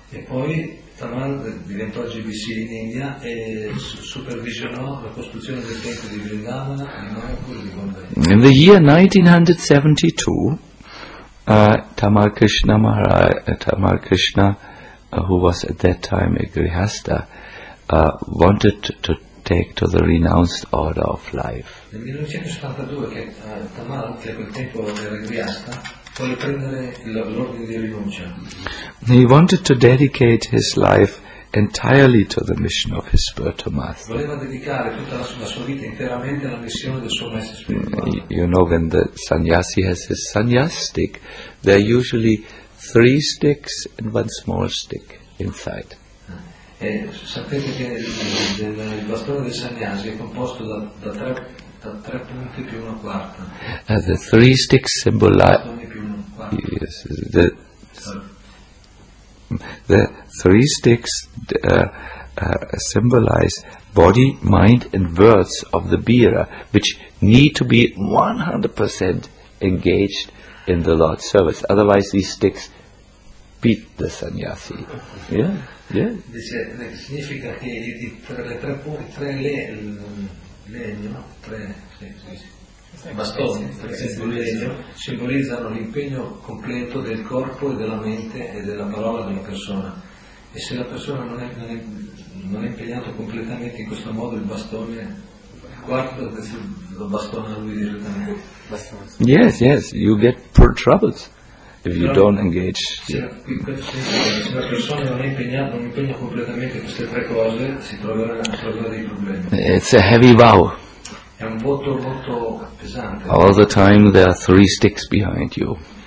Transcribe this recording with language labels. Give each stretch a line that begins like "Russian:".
Italian: E poi Tamal diventò GBC in India e supervisionò la costruzione del tempio di Vrindavan, di Mayapur e di Bombay.
English: In the year 1972, Tamal Krishna, who was at that time a Grihastha, wanted to take to the renounced order of life.
Italian: Nel 1972, che Tamal, che a quel tempo era Grihastha, vuole prendere l'ordine di rinuncia.
English: He wanted to dedicate his life entirely to the mission of his spiritual master.
Italian: Voleva dedicare tutta la sua vita interamente alla missione del suo maestro spirituale.
English: You know, when the sannyasi has his sannyas stick, there are usually three sticks and one small stick inside.
Italian: Sapete che il bastone del sannyasi è composto da tre punti più una quarta.
English: The three sticks symbolize. Yes, the three sticks symbolize body, mind, and words of the bearer, which need to be 100% engaged in the Lord's service. Otherwise, these sticks beat the sannyasi. Yeah, yeah.
Italian: Significa che i bastoni simbolizzano l'impegno completo del corpo e della mente e della parola di una persona, e se la persona non è impegnata completamente in questo modo, il bastone, il quarto lo bastona lui direttamente.
English: Yes, you get poor troubles if you don't engage.
Italian: Se una persona non è impegnata, non impegna completamente queste tre cose, si troverà a trovare dei problemi.
English: It's a heavy vow.
Italian: È un voto molto pesante.
English: All the time there are three sticks behind you.